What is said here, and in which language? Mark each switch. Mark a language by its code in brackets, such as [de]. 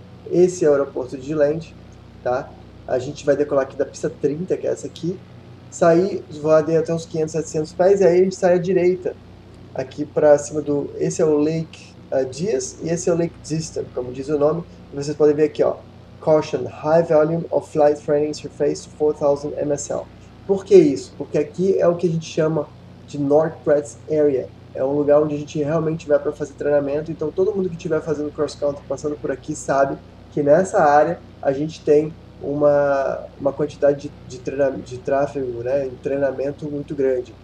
[pt] Esse é o aeroporto de Dillange, tá? A gente vai decolar aqui da pista 30, que é essa aqui. Sair, voar até uns 500, 700 pés, e aí a gente sai à direita, aqui para cima do. Esse é o Lake Dias e esse é o Lake Distant, como diz o nome. Vocês podem ver aqui, ó. [en] Caution, High Volume of Flight Training Surface 4000 MSL. [pt] Por que isso? Porque aqui é o que a gente chama de North Prats Area. É um lugar onde a gente realmente vai para fazer treinamento, então todo mundo que estiver fazendo cross-country passando por aqui sabe que nessa área a gente tem. Uma quantidade de tráfego, né, de treinamento muito grande.